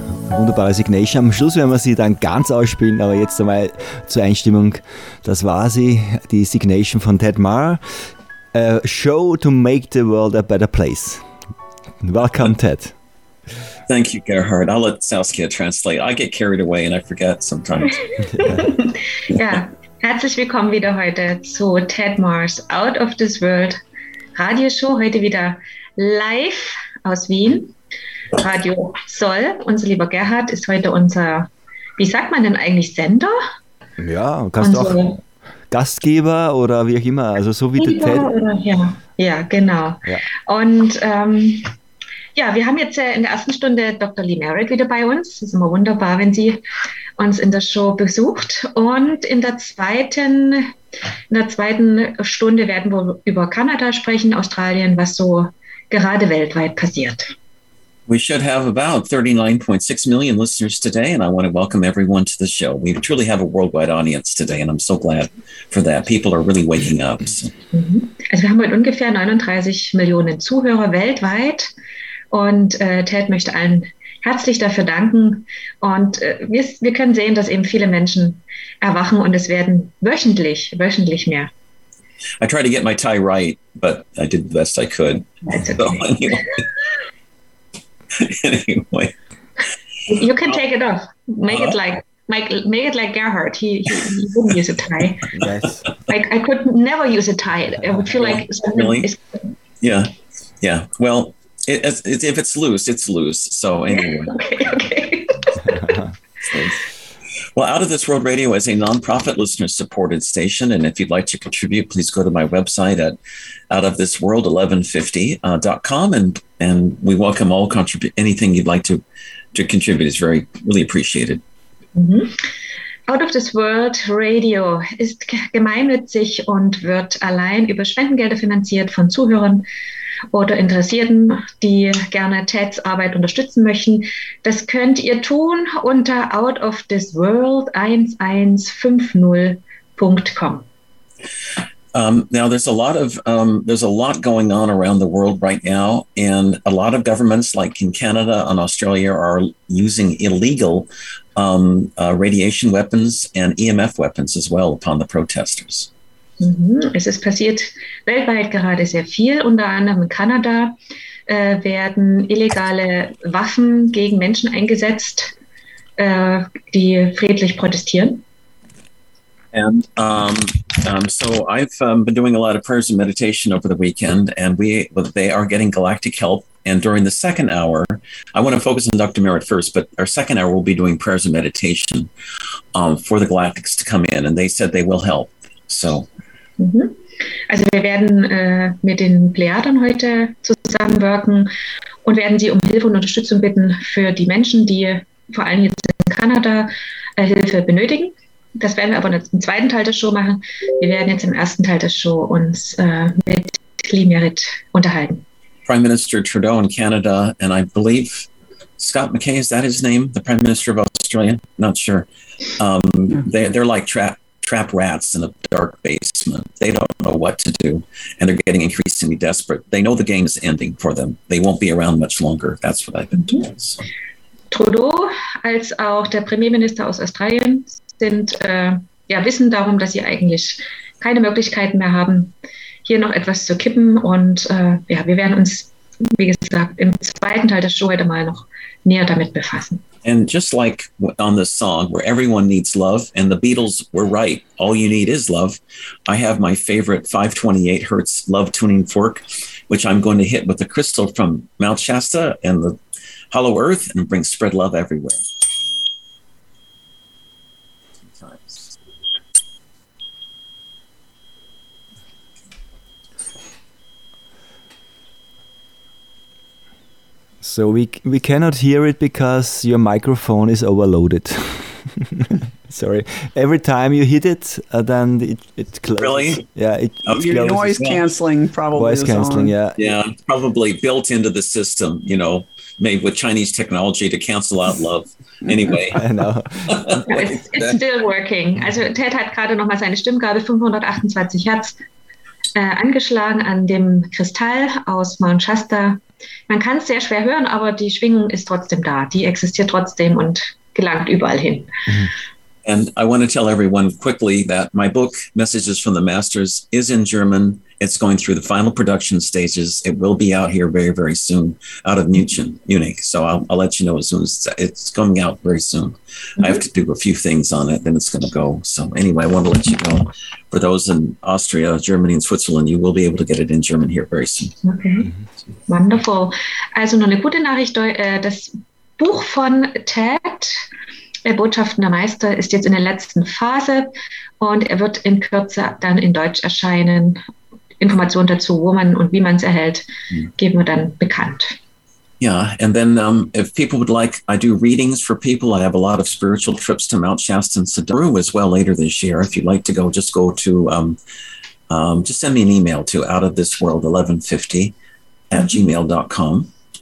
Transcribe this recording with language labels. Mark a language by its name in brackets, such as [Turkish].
[German] Wunderbare Signation. Am Schluss werden wir sie dann ganz ausspielen, aber jetzt einmal zur Einstimmung. Das war sie, die Signation von Detmar. [English] A show to make the world a better place. Welcome, Ted. Thank you, Gerhard. I'll let Saskia translate. I get carried away and I forget sometimes. [German] Ja, herzlich willkommen wieder heute zu Detmars Out of This World Radioshow. Heute wieder live aus Wien. Radio Soll, unser lieber Gerhard, ist heute unser, wie sagt man denn eigentlich, Sender? Ja, kannst du auch Gastgeber oder wie auch immer, also so wie der Ted. Ja, genau. Ja. Und Ja, wir haben jetzt in der ersten Stunde Dr. Lee Merritt wieder bei uns. Es ist immer wunderbar, wenn sie uns in der Show besucht. Und in der zweiten Stunde werden wir über Kanada sprechen, Australien, was so gerade weltweit passiert. [English] We should have about 39.6 million listeners today, and I want to welcome everyone to the show. We truly have a worldwide audience today, and I'm so glad for that. People are really waking up. [German] Also wir haben heute ungefähr 39 Millionen Zuhörer weltweit. Und Ted möchte allen herzlich dafür danken. Und wir können sehen, dass eben viele Menschen erwachen und es werden wöchentlich mehr. [English] I tried to get my tie right, but I did the best I could. That's okay. Anyway. You can take it off. Make it like Gerhard. He wouldn't use a tie. Yes. Like, I could never use a tie. I would feel like something really? Is... Yeah. Yeah. Well... If it's loose, it's loose. So anyway. Okay. Well, Out of This World Radio is a nonprofit listener-supported station. And if you'd like to contribute, please go to my website at outofthisworld1150.com. And we welcome all anything you'd like to contribute. It's really appreciated. Mm-hmm. [German] Out of This World Radio ist gemeinnützig und wird allein über Spendengelder finanziert von Zuhörern oder Interessierten, die gerne Teds Arbeit unterstützen möchten. Das könnt ihr tun unter outofthisworld1150.com. [English] Now there's a lot going on around the world right now, and a lot of governments, like in Canada and Australia, are using illegal radiation weapons and EMF weapons as well upon the protesters. [German] Es ist passiert weltweit gerade sehr viel. Unter anderem in Kanada werden illegale Waffen gegen Menschen eingesetzt, die friedlich protestieren. [English] And so I've been doing a lot of prayers and meditation over the weekend, and they are getting galactic help. And during the second hour, I want to focus on Dr. Merritt first, but our second hour we'll be doing prayers and meditation for the galactics to come in, and they said they will help. So. [German] Also wir werden mit den Plejaden heute zusammenwirken und werden sie um Hilfe und Unterstützung bitten für die Menschen, die vor allem jetzt in Kanada Hilfe benötigen. Das werden wir aber im zweiten Teil der Show machen. Wir werden jetzt im ersten Teil der Show uns mit Lee Merritt unterhalten. [English] Prime Minister Trudeau in Canada, and I believe Scott McKay, is that his name? The Prime Minister of Australia? Not sure. They're like trap rats in a dark basement. They don't know what to do, and they're getting increasingly desperate. They know the game is ending for them. They won't be around much longer. That's what I've been told. So. [German] Trudeau, als auch der Premierminister aus Australien, wissen darum, dass sie eigentlich keine Möglichkeiten mehr haben, hier noch etwas zu kippen. Und wir werden uns, wie gesagt, im zweiten Teil der Show heute mal noch näher damit befassen. [English] And just like on this song, where everyone needs love, and the Beatles were right, all you need is love, I have my favorite 528 hertz love tuning fork, which I'm going to hit with the crystal from Mount Shasta and the hollow earth and bring spread love everywhere. So we cannot hear it because your microphone is overloaded. Sorry. Every time you hit it, then it closes. Really? Yeah. Your noise canceling probably Voice is canceling, Yeah. Yeah, probably built into the system, you know, made with Chinese technology to cancel out love. Anyway. I know. It's still working. [German] Also Ted hat gerade noch mal seine Stimmgabel 528 Hertz angeschlagen an dem Kristall aus Mount Shasta. Man kann es sehr schwer hören, aber die Schwingung ist trotzdem da. Die existiert trotzdem und gelangt überall hin. [English] And I want to tell everyone quickly that my book, Messages from the Masters, is in German. It's going through the final production stages. It will be out here very, very soon, out of Munich. So I'll let you know as soon as it's coming out very soon. Mm-hmm. I have to do a few things on it, then it's going to go. So anyway, I want to let you know. For those in Austria, Germany and Switzerland, you will be able to get it in German here very soon. Okay, mm-hmm. Wonderful. [German] Also noch eine gute Nachricht. Das Buch von Ted, Botschaften der Meister, ist jetzt in der letzten Phase und er wird in Kürze dann in Deutsch erscheinen. Informationen dazu, wo man und wie man es erhält, geben wir dann bekannt. [English] Yeah. And then if people would like, I do readings for people. I have a lot of spiritual trips to Mount Shasta and Siddaru as well later this year. If you'd like to go, just go to, just send me an email to outoftheworld1150@gmail.com.